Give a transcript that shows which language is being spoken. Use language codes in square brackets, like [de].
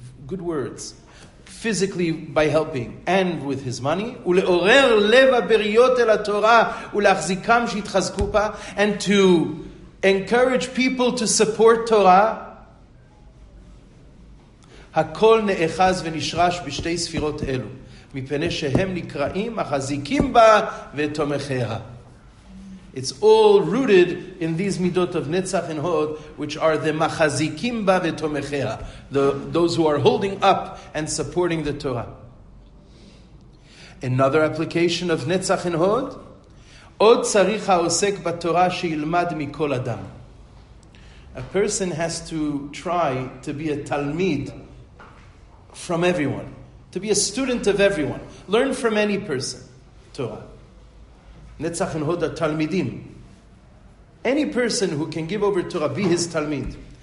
[en] good words, physically by helping and with his money, [he] ולעורר לב הבריות אל התורה ולהחזיקם שיתחזקו בה, [en] and to encourage people to support Torah, [he] הכל נאחז ונשרש בשתי ספירות אלו. מפני שהם נקראים החזיקים בה ותומכיה. [en] It's all rooted in these midot of netzach and hod, which are the [he] מחזיקים בה ותומכיה, [en] those who are holding up and supporting the Torah. Another application of netzach and hod, [he] עוד צריך העוסק בתורה שילמד מכל אדם. [en] A person has to try to be a תלמיד from everyone. To be a student of everyone. Learn from any person. Torah. Netzach and Hod Talmidim. Any person who can give over Torah, be his Talmid.